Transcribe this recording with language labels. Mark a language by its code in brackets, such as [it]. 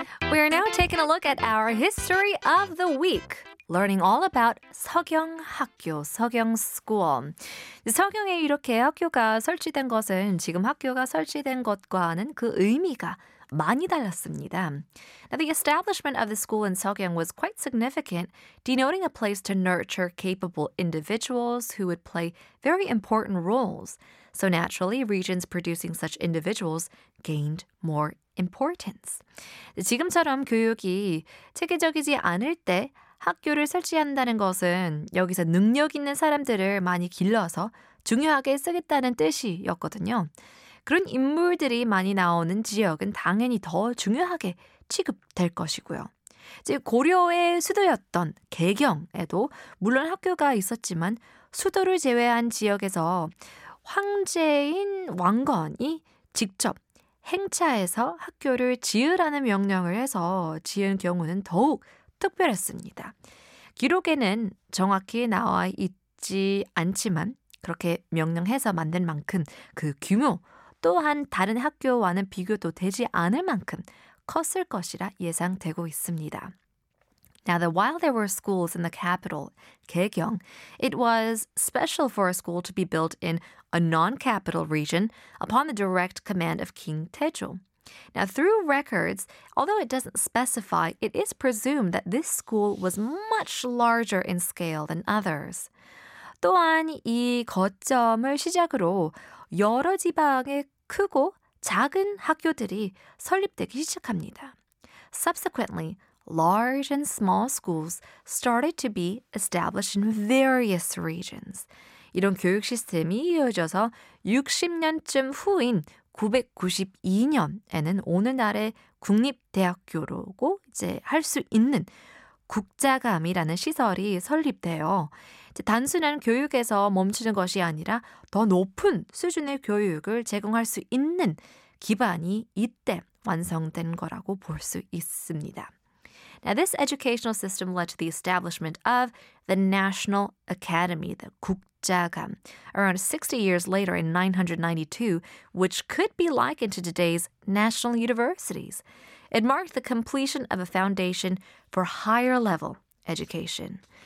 [en] We are now taking a look at our history of the week. learning all about 서경 학교, 서경 school. [ko] 서경에 이렇게 학교가 설치된 것은 지금 학교가 설치된 것과는 그 의미가 많이 달랐습니다. [en] Now, the establishment of the school in Seogyeong was quite significant, denoting a place to nurture capable individuals who would play very important roles. So naturally, regions producing such individuals gained more importance. [ko] 지금처럼 교육이 체계적이지 않을 때 학교를 설치한다는 것은 여기서 능력 있는 사람들을 많이 길러서 중요하게 쓰겠다는 뜻이었거든요. 그런 인물들이 많이 나오는 지역은 당연히 더 중요하게 취급될 것이고요. 이제 고려의 수도였던 개경에도 물론 학교가 있었지만 수도를 제외한 지역에서 황제인 왕건이 직접 행차해서 학교를 지으라는 명령을 해서 지은 경우는 더욱 특별했습니다. 기록에는 정확히 나와 있지 않지만 그렇게 명령해서 만든 만큼 그 규모 또한 다른 학교와는 비교도 되지 않을 만큼 컸을 것이라 예상되고 있습니다. [en] Now that while there were schools in the capital, Gaegyeong, it was special for a school to be built in a non-capital region upon the direct command of King Taejo. Now through records, although it doesn't specify, it is presumed that this school was much larger in scale than others. [ko] 또한 이 거점을 시작으로 여러 지방의 크고 작은 학교들이 설립되기 시작합니다. [en] Subsequently, large and small schools started to be established in various regions. [ko] 이런 교육 시스템이 이어져서 60년쯤 후인 992년에는 오늘날의 국립대학교로고 이제 할 수 있는 국자감이라는 시설이 설립되어 이제 단순한 교육에서 멈추는 것이 아니라 더 높은 수준의 교육을 제공할 수 있는 기반이 이때 완성된 거라고 볼 수 있습니다. [en] Now, this educational system led to the establishment of the National Academy, the 국자감, around 60 years later in 992, which could be likened to today's national universities. It marked the completion of a foundation for higher level education.